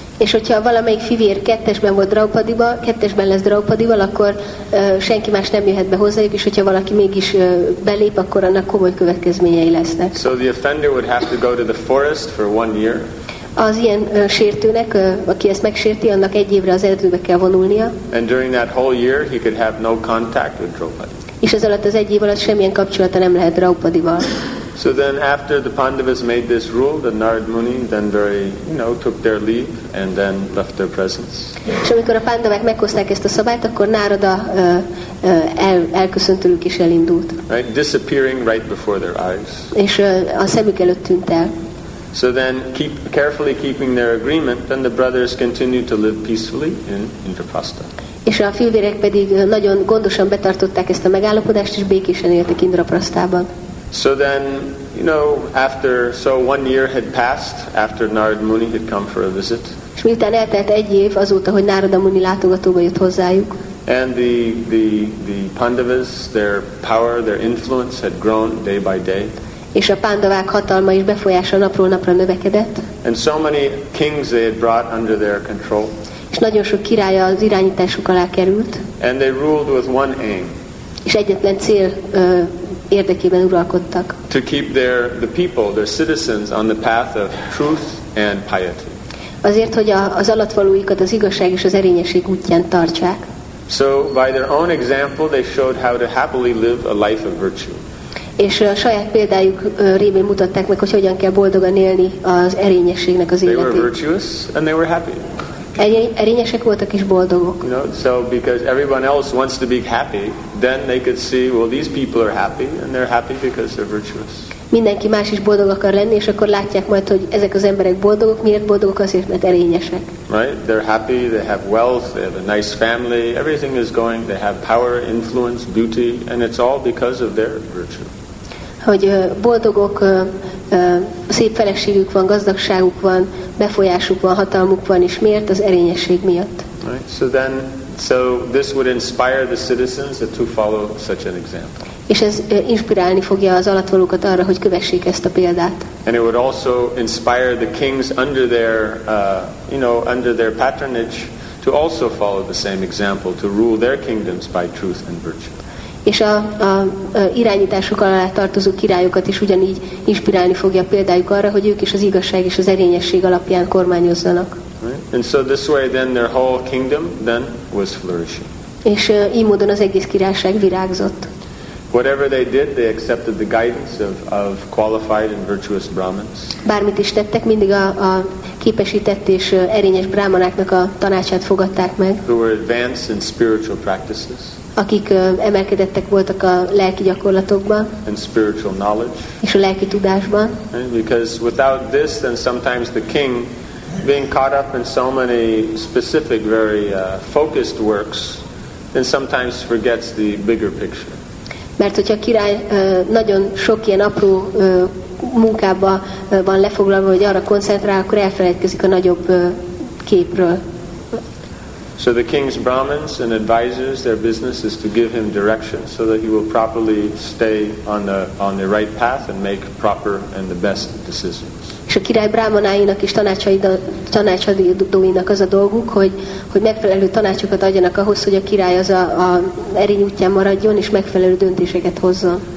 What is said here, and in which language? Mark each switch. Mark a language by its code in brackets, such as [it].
[hu] És hogyha valamelyik fivér kettesben lesz Draupadival, akkor senki más nem jöhet be hozzájuk, és hogyha valaki mégis belép, akkor annak komoly következményei lesznek. [en] So the offender would have to go to the forest for 1 year. [hu] Az ilyen sértőnek, aki ezt megsérti, annak 1 évre az erdőbe kell vonulnia. [en] And during that whole year he could have no contact with Draupadi. [hu] És ez alatt az 1 év alatt semmilyen kapcsolata nem lehet Draupadival. [en] So then after the Pandavas made this rule, the Narad Muni then very, you know, took their leave and then left their presence. [hu] És amikor a Pandavák meghozták ezt a szabályt, akkor Narada elköszönt tőlük és elindult. [en] Right, disappearing right before their eyes. [hu] És a szemük előtt tűnt el. [en] So then carefully keeping their agreement, then the brothers continued to live peacefully in Indraprastha. [hu] És a fivérek pedig nagyon gondosan betartották ezt a megállapodást, és békésen éltek Indraprasztában. [en] So then, you know, after 1 year had passed, after Narad Muni had come for a visit. [hu] És miután eltelt 1 év azóta, hogy Narada Muni látogatóba jött hozzájuk. [en] And the Pandavas, their power, their influence had grown day by day. [hu] És a Pandavák hatalma és befolyása napról napra növekedett. [en] And so many kings they had brought under their control. [hu] És nagyon sok királya az irányításuk alá került. [en] And they ruled with one aim. [hu] És egyetlen cél érdekében uralkodtak. [en] To keep the people, their citizens on the path of truth and piety. [hu] Azért, hogy az alattvalóikat az igazság és az erényesség útján tartsák. [en] So by their own example they showed how to happily live a life of virtue. [hu] És a saját példájuk révén mutatták meg, hogy hogyan kell boldogan élni az erényességnek az életét. [en] They were virtuous and they were happy. [hu] Erényesek voltak és boldogok. [en] You know, so because everyone else wants to be happy, then they could see, well, these people are happy, and they're happy because they're virtuous. [hu] Mindenki más is boldog akar lenni, és akkor látják majd, hogy ezek az emberek boldogok. Miért boldogok? Azért, mert erényesek. [en] Right? They're happy, they have wealth, they have a nice family, everything is going, they have power, influence, beauty, and it's all because of their virtue. [hu] Hogy boldogok, szép feleségük van, gazdagságuk van, befolyásuk van, hatalmuk van, és miért? Az erényesség miatt. [en] Right. So this would inspire the citizens to follow such an example. [hu] És ez inspirálni fogja az alattvalókat arra, hogy kövessék ezt a példát. [en] And it would also inspire the kings under their, you know, under their patronage to also follow the same example, to rule their kingdoms by truth and virtue. [hu] És a irányításuk alá tartozó királyokat is ugyanígy inspirálni fogja példájuk arra, hogy ők is az igazság és az erényesség alapján kormányozzanak. [en] Right. And so this way then their whole kingdom then was flourishing. [hu] És így módon az egész királyság virágzott. [en] Whatever they did, they accepted the guidance of qualified and virtuous Brahmins. [hu] Bármit is tettek, mindig a képesített és erényes brahmanáknak a tanácsát fogadták meg. [en] Who were advanced in spiritual practices. [hu] akik emelkedettek voltak a lelki gyakorlatokban [en] and spiritual knowledge. [hu] És a lelki tudásban. [en] Because without this, then sometimes the king being caught up in so many specific, very focused works, then sometimes forgets the bigger picture. [hu] Mert hogyha a király nagyon sok ilyen apró munkába van lefoglalva, hogy arra koncentrál, akkor elfelejtkezik a nagyobb képről. [en] So the king's brahmins and advisors, their business is to give him direction so that he will properly stay on the right path and make proper and the best decisions. [hu] És a király brahmanáinak és tanácsadóinak az a dolguk, hogy megfelelő tanácsokat adjanak ahhoz, hogy a király az a erény útján maradjon és megfelelő döntéseket hozzon.